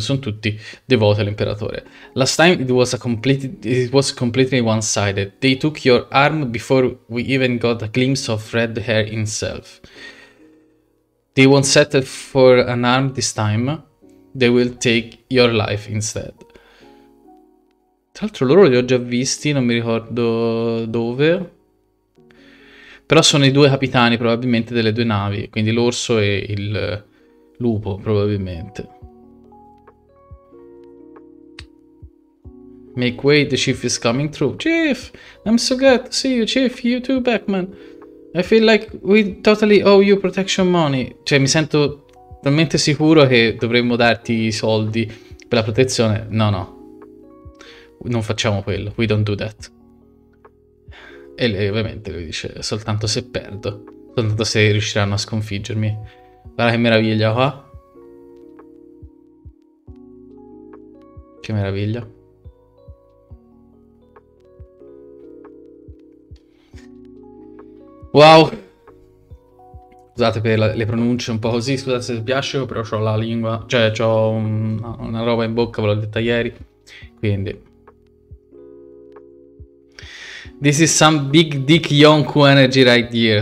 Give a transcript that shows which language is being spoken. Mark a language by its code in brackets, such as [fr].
[it] Sono tutti devoti all'imperatore. [en] Last time it was completely one-sided. They took your arm before we even got a glimpse of Red Hair himself. They won't settle for an arm this time. They will take your life instead. [it] Tra l'altro, loro li ho già visti, non mi ricordo dove. Però sono i due capitani, probabilmente, delle due navi. Quindi l'orso e il lupo, probabilmente. [en] Make way, the chief is coming through. Chief, I'm so glad to see you, chief. You too, Batman. I feel like we totally owe you protection money. [it] Cioè, mi sento talmente sicuro che dovremmo darti i soldi per la protezione. No, non facciamo quello. [en] We don't do that. [it] E lei, ovviamente, lui dice: soltanto se perdo, soltanto se riusciranno a sconfiggermi. Guarda che meraviglia qua. Che meraviglia. Wow. Scusate per le pronunce un po' così, scusate se vi piace, però ho la lingua, cioè ho una roba in bocca, ve l'ho detta ieri, quindi. [en] This is some big dick Yonku energy right here.